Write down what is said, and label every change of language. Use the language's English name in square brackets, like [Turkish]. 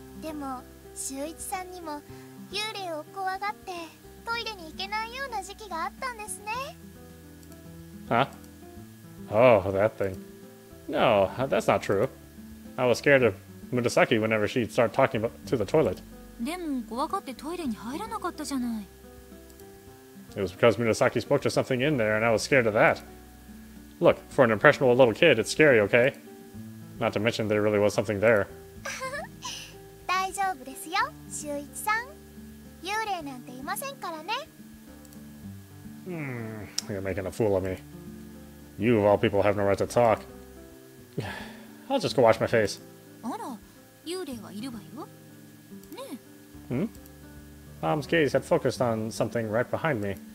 [Japanese] でも、秀一さんにも幽霊を怖がってトイレに行けないような時期があったんですね。 [English] Huh? Oh, that thing. No, that's not true. I was scared of Murasaki whenever she'd start talking to the toilet. [Japanese] でも怖がってトイレに入らなかったじゃない。 [English] It was because Murasaki spoke to something in there and I was scared of that. Look, for an impressionable little kid, it's scary, okay? Not to mention there really was something there. [Japanese] 大丈夫ですよ、秀一さん。幽霊なんていませんからね。 [English] You're making a fool of me. You of all people have no right to talk. I'll just go wash my face. [Japanese] あら、幽霊はいるわよ。ねえ。 [English] Mom's gaze had focused on something right behind me.